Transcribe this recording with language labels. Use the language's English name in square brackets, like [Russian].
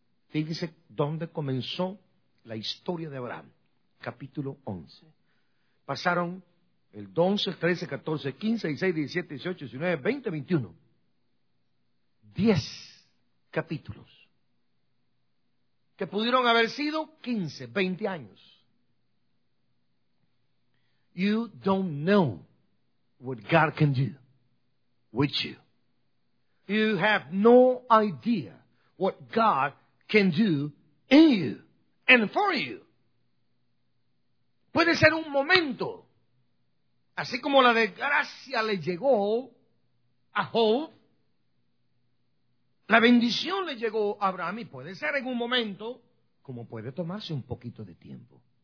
[Spanish] Fíjese dónde comenzó la historia de Abraham, capítulo 11. Pasaron el 12, 13, 14, 15, 16, 17, 18, 19, 20, 21. 10 capítulos. Que pudieron haber sido 15, 20 años. [English] You don't know what God can do with you. You have no idea what God can do in you and for you. [Spanish] Puede ser un momento, así como la desgracia le llegó a Job, la bendición le llegó a Abraham, y puede ser en un momento, como puede tomarse un poquito de tiempo.